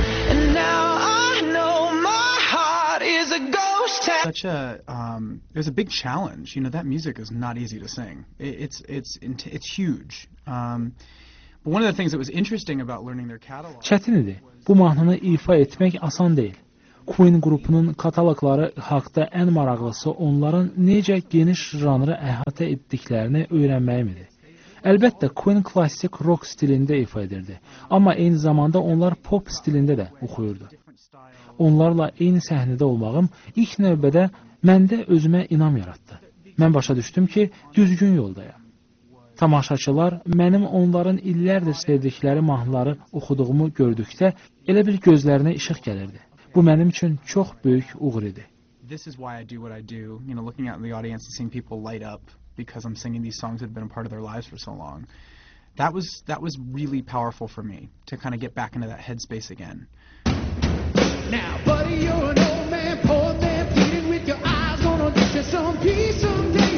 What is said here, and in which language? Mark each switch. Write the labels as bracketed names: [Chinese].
[English] And now I know my heart is a ghost town. Such a, there's a big challenge. You know, that music is not easy to sing. It's huge. But one of the things that was interesting about learning their catalog. [Azerbaijani] Çətin idi. Bu mahnını ifa etmək asan deyil. Queen qrupunun katalogları haqda ən maraqlısı onların necə geniş janrı əhatə etdiklərini öyrənməyim idi. Əlbəttə, Queen klassik rock stilində ifa edirdi, amma eyni zamanda onlar pop stilində də oxuyurdu. Onlarla eyni səhnədə olmağım ilk növbədə məndə özümə inam yaratdı. Mən başa düşdüm ki, düzgün yoldayam. Tamaşaçılar mənim onların illərdir sevdikləri mahnıları oxuduğumu gördükdə elə bir gözlərinə işıq gəlirdi. Bu mənim üçün çox böyük uğur idi. [English] This is why I do what I do, you know, looking out in the audience and seeing people light up because I'm singing these songs that have been a part of their lives for so long. That was really powerful for me to kind of get back into that headspace again. Now, buddy, you're an old man, poor man, pleading with your eyes, gonna get you some peace someday.